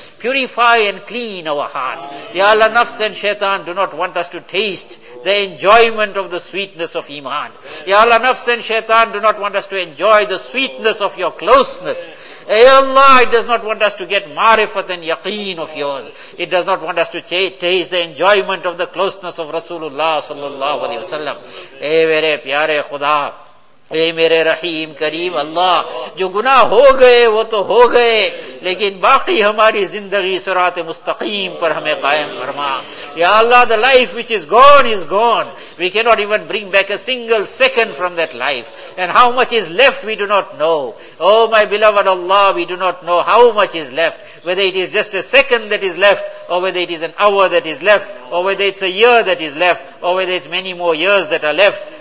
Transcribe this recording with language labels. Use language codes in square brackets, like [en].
[en] Purify and clean our hearts. Ya Allah, nafs and shaitan do not want us to taste the enjoyment of the sweetness of Iman. Ya Allah, nafs and shaitan do not want us to enjoy the sweetness of your closeness. Ya Allah, it does not want us to get marifat and yaqeen of yours. It does not want us to taste the enjoyment of the closeness of Rasulullah sallallahu alayhi wa sallam. [ur] Ey mere pyare Khuda, اے میرے رحیم کریم اللہ, جو گناہ ہو گئے وہ تو ہو گئے, لیکن باقی ہماری زندگی صراط مستقیم پر ہمیں قائم فرما. [en] یا اللہ, the life which is gone is gone. We cannot even bring back a single second from that life. And how much is left we do not know. Oh my beloved Allah, we do not know how much is left. Whether it is just a second that is left, or whether it is an hour that is left, or whether it's a year that is left, or whether it's many more years that are left.